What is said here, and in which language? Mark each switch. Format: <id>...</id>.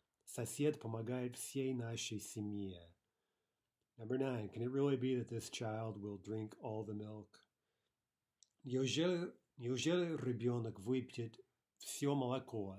<ru>Сосед помогает всей нашей семье.</ru> <en>Number nine, can it really be that this child will drink all the milk?</en> <ru>Неужели ребенок выпьет все молоко?</ru>